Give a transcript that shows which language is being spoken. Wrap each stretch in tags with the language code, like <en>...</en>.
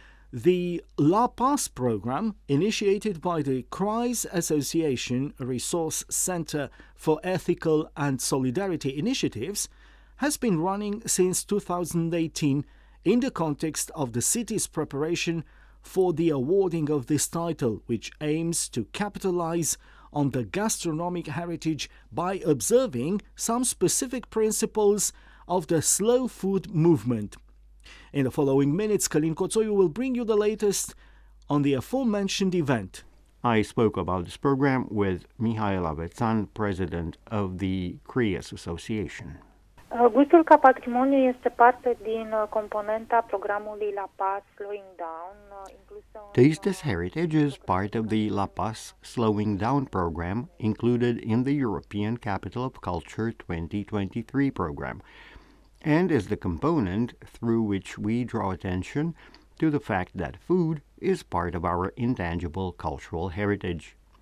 <en>The La Paz program, initiated by the CRIES Association Resource Center for Ethical and Solidarity Initiatives, has been running since 2018 in the context of the city's preparation for the awarding of this title, which aims to capitalize on the gastronomic heritage by observing some specific principles of the slow food movement. In the following minutes, Călin Coțoiu will bring you the latest on the aforementioned event. I spoke about this program with Mihail Avețan, president of the CRIES Association.</en> <ro>Gustul ca patrimoniu este parte din componenta programului La Paz Slowing Down.</ro> <en>Taste as Heritage is part of the La Paz Slowing Down program included in the European Capital of Culture 2023 program, and is the component through which we draw attention to the fact that food is part of our intangible cultural heritage.</en>